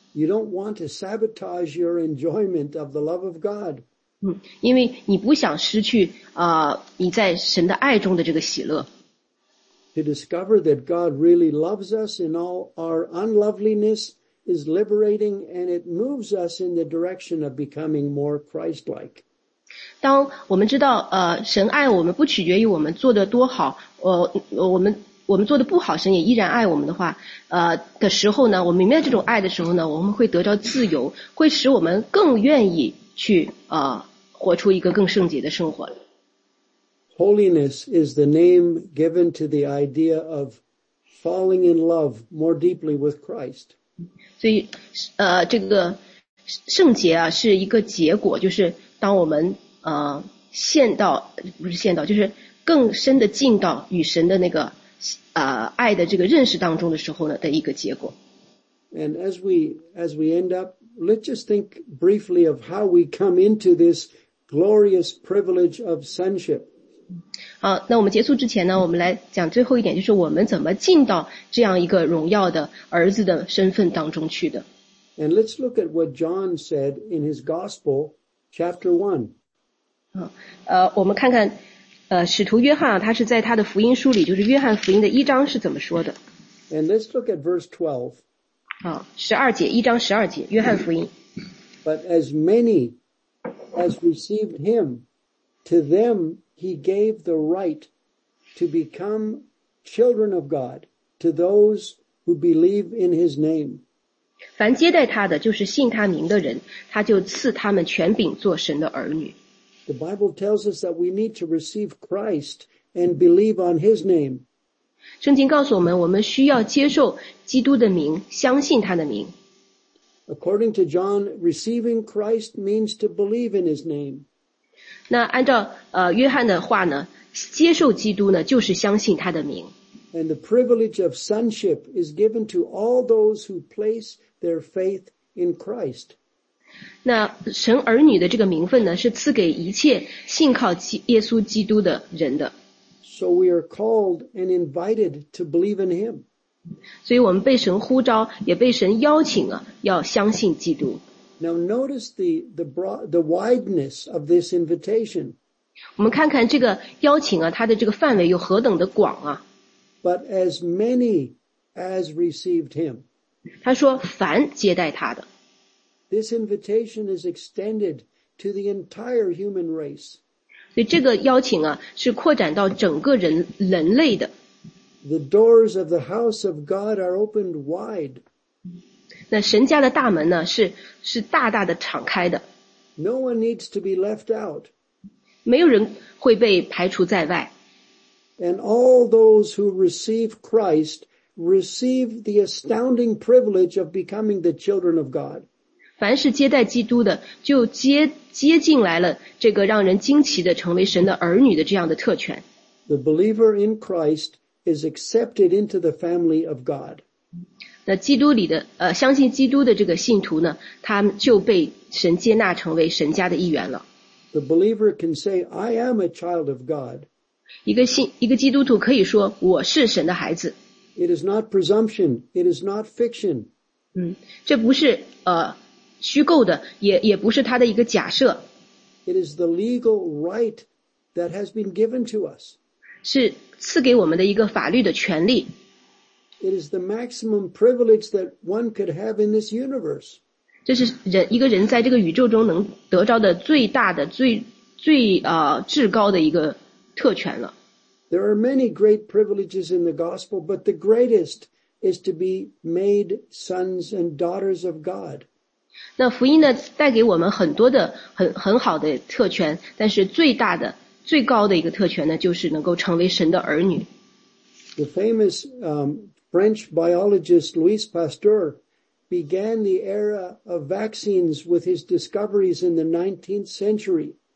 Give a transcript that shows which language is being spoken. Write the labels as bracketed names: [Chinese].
[English] You don't want to sabotage your enjoyment of the love of God. [Chinese] 因为你不想失去你在神的爱中的这个喜乐。 [English] To discover that God really loves us in all our unloveliness is liberating and it moves us in the direction of becoming more Christ-like. [Chinese] 当我们知道神爱我们不取决于我们做得多好，我们做的不好，神也依然爱我们的话，的时候呢，我们明白这种爱的时候呢，我们会得到自由，会使我们更愿意去活出一个更圣洁的生活。 [English] Holiness is the name given to the idea of falling in love more deeply with Christ. [Chinese] 所以这个圣洁啊，是一个结果，就是当我们陷到不是陷到，就是更深的进到与神的那个。爱的这个认识当中的时候呢的一个结果。 [English] And as we end up, let's just think briefly of how we come into this glorious privilege of sonship. [Chinese] 好，那我们结束之前呢，我们来讲最后一点，就是我们怎么进到这样一个荣耀的儿子的身份当中去的。 [English] And let's look at what John said in his gospel, chapter 1. [Chinese] 我们看看使徒约翰，他是在他的福音书里，就是约翰福音的一章是怎么说的。 [English] And let's look at verse 12. [Chinese] 好，十二节，一章十二节，约翰福音。 [English] But as many as received him, to them he gave the right to become children of God, to those who believe in his name. [Chinese] 凡接待他的，就是信他名的人，他就赐他们权柄做神的儿女。 [English] The Bible tells us that we need to receive Christ and believe on His name. [Chinese] 圣经告诉我们，我们需要接受基督的名，相信他的名。 [English] According to John, receiving Christ means to believe in His name. [Chinese] 那按照约翰的话呢，接受基督呢，就是相信他的名。 [English] And the privilege of sonship is given to all those who place their faith in Christ. [Chinese] 那神儿女的这个名分呢，是赐给一切信靠耶稣基督的人的。 [English] So we are called and invited to believe in Him. [Chinese] 所以我们被神呼召，也被神邀请啊，要相信基督。 [English] Now notice the wideness of this invitation. [Chinese] 我们看看这个邀请啊，它的这个范围有何等的广啊。 [English] But as many as received Him. [Chinese] 他说凡接待他的。 [English] This invitation is extended to the entire human race. [Chinese] 所以这个邀请啊，是扩展到整个人类的。 [English] the doors of the house of God are opened wide. [Chinese] 那神家的大门呢，是大大的敞开的。 [English] No one needs to be left out. [Chinese] 没有人会被排除在外。 [English] And all those who receive Christ receive the astounding privilege of becoming the children of God. [Chinese] 凡是接待基督的，就接进来了这个让人惊奇的成为神的儿女的这样的特权。 [English] The believer in Christ is accepted into the family of God. [Chinese] 那基督里的相信基督的这个信徒呢，他就被神接纳成为神家的一员了。 [English] The believer can say, "I am a child of God." [Chinese] 一个基督徒可以说我是神的孩子。 [English] It is not presumption. It is not fiction. [Chinese] 这不是虚构的，也不是他的一个假设。 [English] It is the legal right that has been given to us. [Chinese] 是赐给我们的一个法律的权利。 [English] It is the maximum privilege that one could have in this universe. [Chinese] 这是一个人在这个宇宙中能得到的最大的最至高的一个特权了。 [English] There are many great privileges in the gospel, but the greatest is to be made sons and daughters of God. [Chinese] 那福音呢，带给我们很多的很好的特权，但是最大的、最高的一个特权呢，就是能够成为神的儿女。 [English] The famous French biologist Louis Pasteur began the era of vaccines with his discoveries in the 19th century.